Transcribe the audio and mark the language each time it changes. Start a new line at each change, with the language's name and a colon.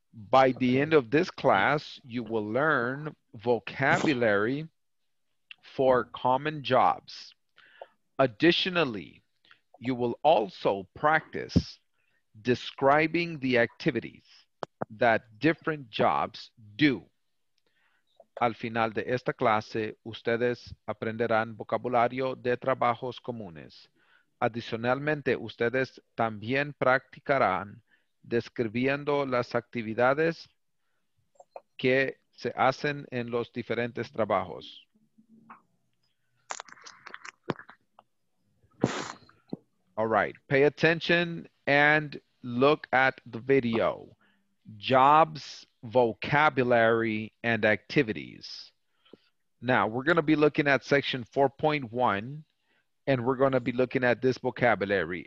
English: By the end of this class, you will learn vocabulary for common jobs. Additionally, you will also practice describing the activities that different jobs do.
Spanish: Al final de esta clase, ustedes aprenderán vocabulario de trabajos comunes. Adicionalmente, ustedes también practicarán describiendo las actividades que se hacen en los diferentes trabajos.
English: All right, pay attention and look at the video. Jobs, vocabulary, and activities. Now, we're going to be looking at section 4.1, and we're going to be looking at this vocabulary.